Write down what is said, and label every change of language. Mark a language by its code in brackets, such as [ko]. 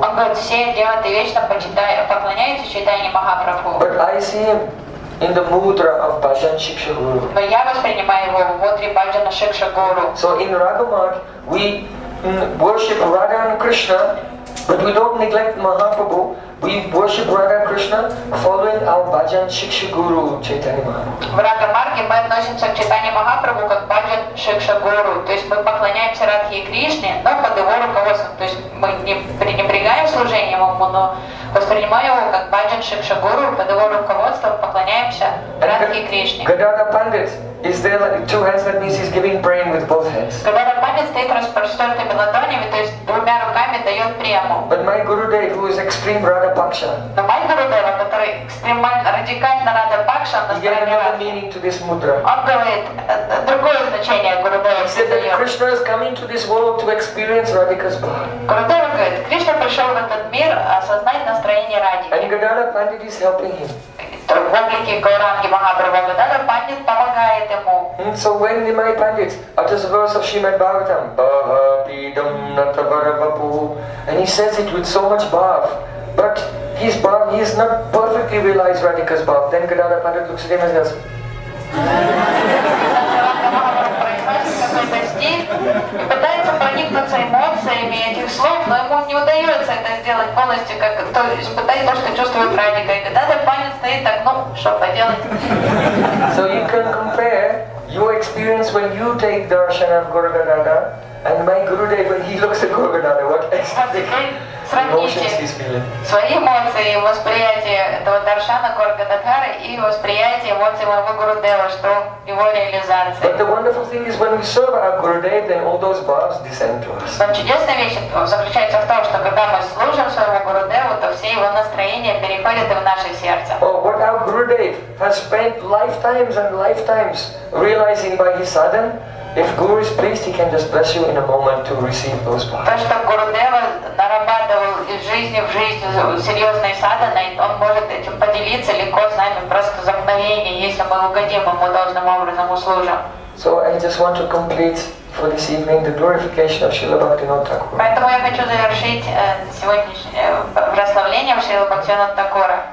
[en] But I see him in the mudra of Bhajan Shiksha Guru. So in Ragamart, we worship Radha and Krishna, but we don't neglect Mahaprabhu. We worship Radha Krishna following our Bhajan Shiksha Guru Chaitanya Mahaprabhu. [ru] В Рагамарге мы относимся к Чайтанье Махапрабху как Бхаджан Шикша Гуру. То есть мы поклоняемся Радхе Кришне, но под его руководством. То есть мы не пренебрегаем служением ему, но воспринимаем его как Бхаджан Шикша Гуру, под его руководством поклоняемся Радхе Кришне. [en] Gadadhar Pandit is there like two hands, that means he's giving prem with both hands. [ru] Gadadhar Pandit стоит распростертыми ладонями, то есть двумя руками дает прему. [en] But my Guru Dev, who is extreme Radha Paksha. [ru] Но мой Гурудев, который экстремально радикально Радха Пакша, на стороне Радхи. [en] He gave another meaning to this mudra. [ru] Он говорит другое значение Гурудев. [en] He said that Krishna is coming to this world to experience Radhika's bhava. [ru] Гурудев говорит, Кришна пришел в этот мир осознать настроение Радхи. [en] And Gadadhar Pandit is helping him. [ru] В облике Гауранги Махапрабху Гададхар Пандит помогает ему. [en] So when the my Pandit utters a verse of Srimad Bhagavatam, Bhavidam Natavaravapu, and he says it with so much bhav, but his bhav, he has not perfectly realized Radhika's bhav, then Gadadhar Pandit looks at him and says, [ru] и пытается проникнуться эмоциями этих слов, но ему не удается это сделать полностью, как то испытать то, что чувствует Радика. И когда Панин стоит так, ну, что поделать? [en] So you can compare your experience when you take darshan of Guru Gadadha and my Guru Dev, when he looks at Guru Gadadha, what ecstatic emotions he's feeling. [ru] Свои эмоции, восприятие этого даршана Гуру Гададхары и восприятие эмоций моего Гуру Дева, что его реализация. [en] But the wonderful thing is when we serve our Guru Dev, then all those bhavs descend to us. [ru] Но чудесная вещь заключается в том, что когда мы служим своему Гуру Деву, то все его настроения переходят в наше сердце. [en] Oh, what our Guru Dev has spent lifetimes and lifetimes realizing by his sadhan. If Guru is pleased, he can just bless you in a moment to receive those bhavs. [ru] То, что Гуру Дева нарабатывал из жизни в жизнь серьезные садханы, он может этим поделиться легко с нами просто за мгновение, если мы угодим ему должным образом услужим. [en] So I just want to complete for this evening the glorification of Srila Bhaktivinoda Thakura. [ru] Поэтому я хочу завершить сегодняшнее прославление Шрилы Бхактивинода Такура.